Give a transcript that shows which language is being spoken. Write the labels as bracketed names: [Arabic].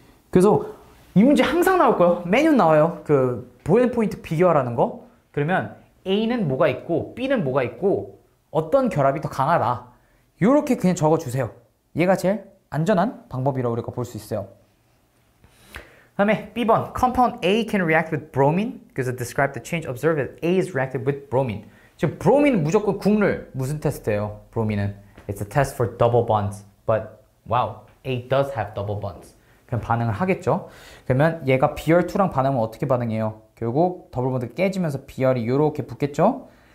[Korean] 그래서 이 문제 항상 나올 거예요. 매년 나와요. 그 보이는 포인트 비교하라는 거. 그러면 A는 뭐가 있고 B는 뭐가 있고 어떤 결합이 더 강하다 이렇게 그냥 적어주세요. 얘가 제일 안전한 방법이라고 우리가 볼 수 있어요. 다음에 B번 [English] Compound A can react with bromine because it describes the change observed that A is reacted with bromine. [Korean] 지금 브로민은 무조건 국룰. 무슨 테스트예요? 브로민은 [English] It's a test for double bonds. But wow, A does have double bonds. [Korean] 그럼 반응을 하겠죠. 그러면 얘가 Br2랑 반응하면 어떻게 반응해요? 결국 더블 본드가 깨지면서 Br이 이렇게 붙겠죠.